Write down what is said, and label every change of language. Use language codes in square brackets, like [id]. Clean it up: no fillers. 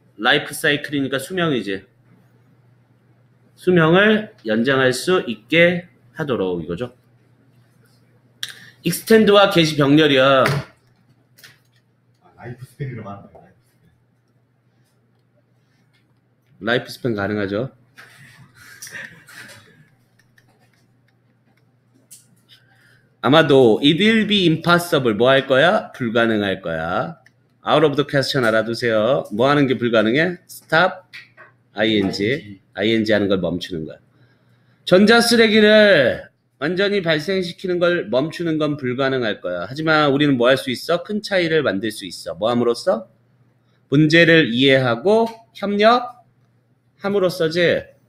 [ko] life cycle이니까 수명이지. 수명을 연장할 수 있게 하도록 이거죠. extend와 get 병렬이야. 아, life span이라고 하는 거야. life span 가능하죠. [en] 아마도 it will be impossible. [ko] 뭐 할 거야? 불가능할 거야. out of the question 알아두세요. 뭐 하는 게 불가능해? stop, ing. ing 하는 걸 멈추는 거야. 전자 쓰레기를 완전히 발생시키는 걸 멈추는 건 불가능할 거야. 하지만 우리는 뭐 할 수 있어? 큰 차이를 만들 수 있어. 뭐 함으로써? 문제를 이해하고 협력함으로써지.